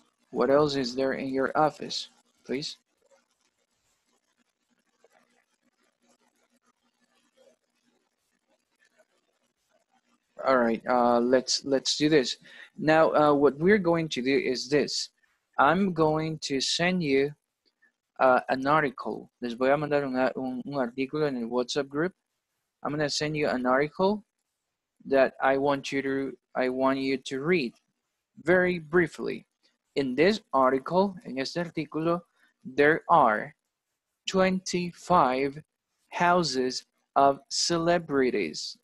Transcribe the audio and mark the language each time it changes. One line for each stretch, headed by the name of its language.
English: What else is there in your office, please? All right, let's do this. Now, what we're going to do is this. I'm going to send you an article.
Spanish: Les voy a mandar un artículo en el WhatsApp group.
English: I'm gonna send you an article that I want you to read very briefly. In this article,
Spanish: en este artículo,
English: there are 25 houses of celebrities.